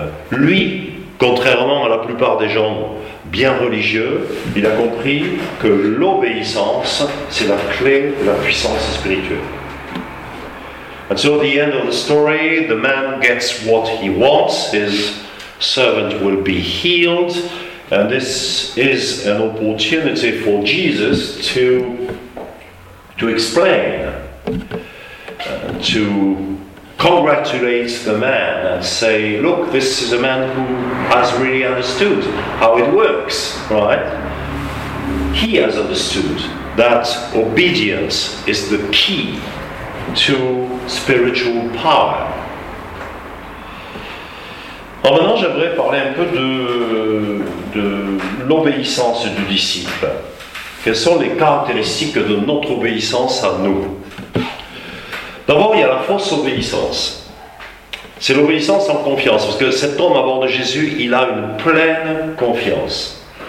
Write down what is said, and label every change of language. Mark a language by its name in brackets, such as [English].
[French] Lui, contrairement à la plupart des gens bien religieux, il a compris que l'obéissance, c'est la clé de la puissance spirituelle. [English] And so at the end of the story, the man gets what he wants, his servant will be healed, and this is an opportunity for Jesus to explain, to congratulate the man and say, look, this is a man who has really understood how it works, right? He has understood that obedience is the key to spiritual power. [French] Alors maintenant, j'aimerais parler un peu de l'obéissance du disciple. Quelles sont les caractéristiques de notre obéissance à nous? D'abord, il y a la fausse obéissance. C'est l'obéissance en confiance, parce que cet homme à bord de Jésus, il a une pleine confiance.